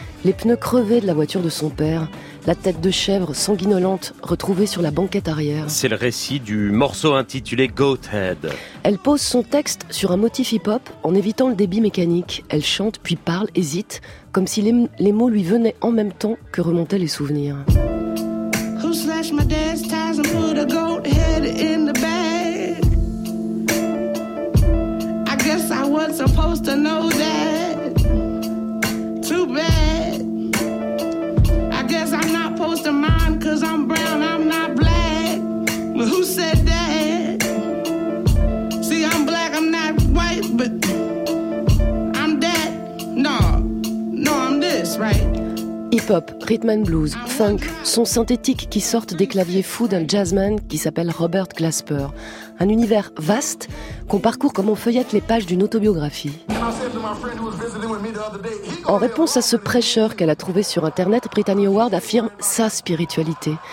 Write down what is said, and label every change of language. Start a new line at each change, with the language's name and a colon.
French: Les pneus crevés de la voiture de son père, la tête de chèvre sanguinolente retrouvée sur la banquette arrière. C'est le récit du morceau intitulé Goathead. Elle pose son texte sur un motif hip-hop en évitant le débit mécanique. Elle chante, puis parle, hésite, comme si les mots lui venaient en même temps que remontaient les souvenirs.
English: Slash my dad's ties and put a goat head in the bag. I guess I was supposed to know that. Too bad. I guess I'm not supposed to mind 'cause I'm brown, I'm not black. But who said that? See, I'm black, I'm not white, but I'm that. No, I'm this, right?
French: Hip-hop, rhythm and blues, funk, sons synthétiques qui sortent des claviers fous d'un jazzman qui s'appelle Robert Glasper. Un univers vaste qu'on parcourt comme on feuillette les pages d'une autobiographie. En réponse à ce prêcheur qu'elle a trouvé sur internet, Brittany Howard affirme sa spiritualité.